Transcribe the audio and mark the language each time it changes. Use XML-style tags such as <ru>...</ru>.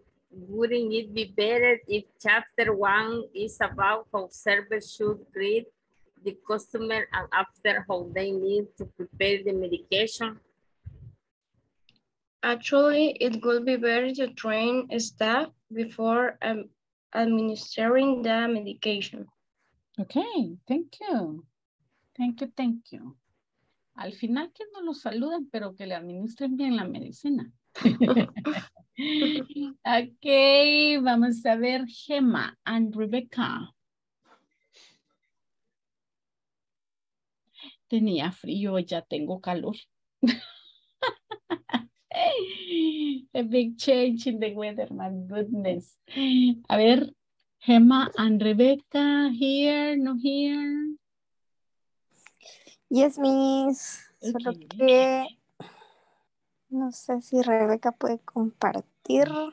<en>Wouldn't it be better if chapter one is about how servers should greet the customer and after how they need to prepare the medication? Actually, it would be better to train staff before administering the medication. Okay, thank you. Thank you, thank you.</en> <es>Al final que no lo saluden, pero que le administren bien la medicina. Okay, vamos a ver Gemma and Rebecca. Tenía frío, ya tengo calor.</es> <en>A big change in the weather, my goodness. A ver, Gemma and Rebecca, here, no here. Yes, miss. Okay.</en> <es>Solo que no sé si Rebecca puede compartir.</es>